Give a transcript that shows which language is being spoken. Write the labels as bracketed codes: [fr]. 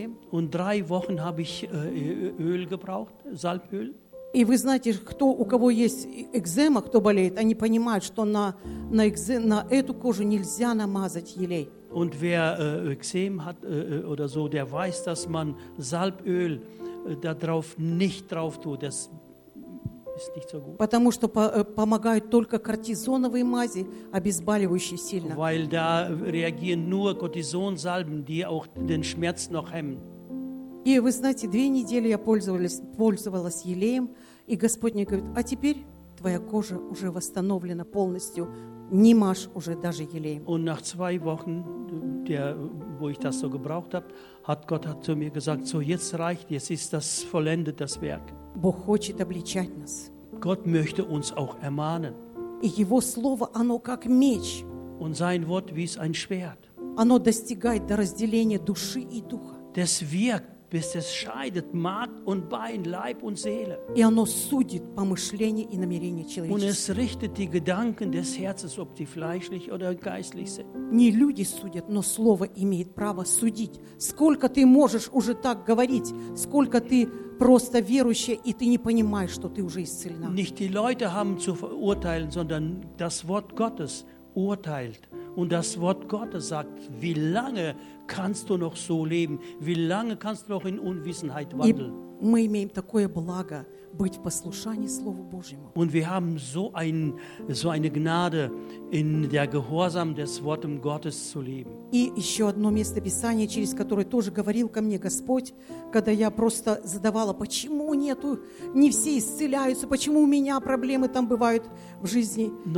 [de] Und drei Wochen habe ich Öl gebraucht, Salböl. [ru] И вы знаете, кто, у кого есть экзема, кто болеет, они понимают, что на эту кожу нельзя намазать елей. [de] Und wer Ekzem hat oder so, der weiß, dass man Salböl darauf nicht drauf tut. Das ist nicht so gut. [ru] Потому что помогают только кортизоновые мази, обезболивающие сильно. [de] Weil da reagieren nur Kortisonsalben, die auch den Schmerz noch hemmen. [ru] И вы знаете, две недели я пользовалась елеем, и Господь мне говорит: а теперь твоя кожа уже восстановлена полностью, не мажь уже даже елеем. [de] Und nach zwei Wochen, wo ich das so gebraucht habe, hat Gott zu mir gesagt: So, jetzt reicht, jetzt ist das vollendet, das Werk. [ru] Бог хочет обличать нас. [de] Gott möchte uns auch ermahnen. [ru] И Его слово, оно как меч. [de] Und sein Wort wie ein Schwert. [ru] Оно достигает до разделения души и духа. [de] Das wirkt, bis es scheidet Mark und Bein, Leib und Seele. [ru] И оно судит помышления и намерения человеческие. [de] Und es richtet die Gedanken des Herzens, ob die fleischlich oder geistlich sind. [ru] Не люди судят, но слово имеет право судить. Сколько ты можешь уже так говорить, сколько ты просто верующая, и ты не понимаешь, что ты уже исцелена. [de] Nicht die Leute haben zu verurteilen, sondern das Wort Gottes urteilt. Und das Wort Gottes sagt, wie lange kannst du noch so leben? Wie lange kannst du noch in Unwissenheit wandeln? Und wir haben so eine Gnade, in der Gehorsam des Wortes Gottes zu leben. [ru] И еще одно место Писания, через которое тоже говорил ко мне Господь, когда я просто задавала, почему нету, не все исцеляются, почему у меня проблемы там бывают в жизни.